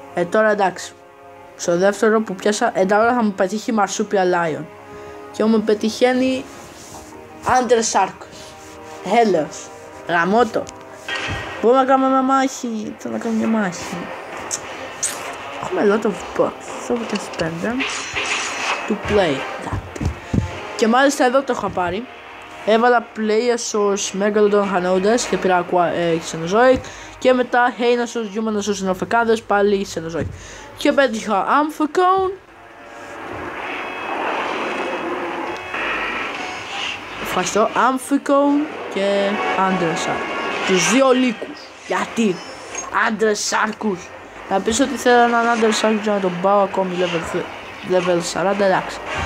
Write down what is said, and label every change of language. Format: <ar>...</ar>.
<el>Τώρα εντάξει, στο δεύτερο που πιάσα, εντάξει θα μου πετύχει Marsupial Lion. Και μου πετυχαίνει Άντρε Σάρκο, Έλεος, γαμώτο. Πού να κάνουμε μια μάχη, θέλω να κάνουμε μια μάχη. Έχουμε</el> <en>lot of bucks, so we can spend them to play that.</en> <el>Και μάλιστα εδώ το είχα πάρει. Έβαλα Playasaurus Megalodon Hanodes και πήρα Xenozoic. Και μετά Heinasaurus Humanasaurus Nofekades, πάλι Xenozoic. Και πέτυχα Amphicone. Ευχαριστώ, Amphicone και Andrasar. Τους δύο λύκους. Γιατί Andrasarkus. Να πεις ότι θέλω έναν Andrasarkus για να τον πάω ακόμη level 40. Εντάξει.</el>